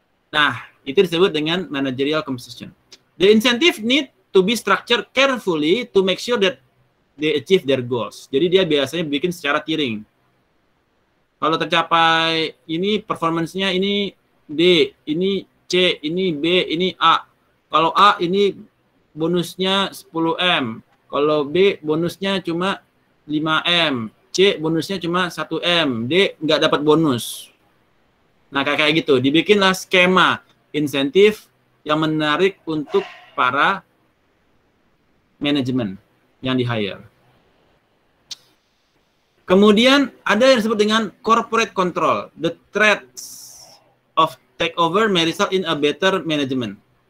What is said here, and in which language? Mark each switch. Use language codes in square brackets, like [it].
[id] Nah, itu disebut dengan managerial compensation. [en] The incentive need to be structured carefully to make sure that they achieve their goals. [id] Jadi dia biasanya bikin secara tiering. Kalau tercapai ini performance-nya ini D, ini C, ini B, ini A. Kalau A ini bonusnya 10M. Kalau B bonusnya cuma 5M. C bonusnya cuma 1M. D nggak dapat bonus. Nah, kayak gitu. Dibikinlah skema insentif yang menarik untuk para manajemen yang di-hire. Kemudian ada yang disebut dengan corporate control. [en] The threats of takeover may result in a better management.